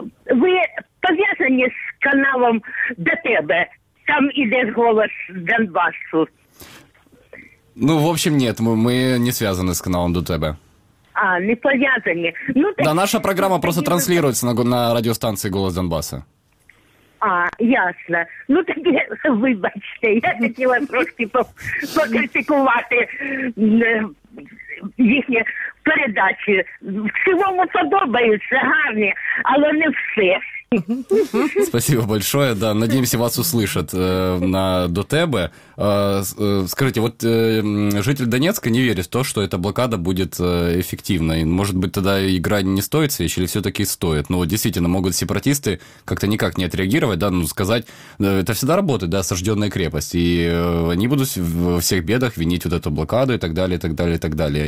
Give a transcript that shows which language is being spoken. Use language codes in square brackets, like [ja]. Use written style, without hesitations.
[ru] Вы повязаны с каналом ДТБ? Там идет голос Донбассу. Ну, в общем, нет, мы не связаны с каналом ДТБ. А, не связаны. Ну, да, наша программа просто транслируется на радиостанции «Голос Донбасса». А, ясно. [uk] Ну, так выбачьте, [ru] я хотела [uk] просто покритикувати їхні передачі. В цілому подобаються, гарні, але не все. [ru] Спасибо большое, да, надеемся, вас услышат на ДОТЭБе. Скажите, вот житель Донецка не верит в то, что эта блокада будет эффективной. Может быть, тогда игра не стоит свеч, или все-таки стоит? Ну, вот действительно, могут сепаратисты как-то никак не отреагировать, да, ну, сказать, это всегда работает, да, осажденная крепость, и они будут во всех бедах винить вот эту блокаду и так далее, и так далее, и так далее.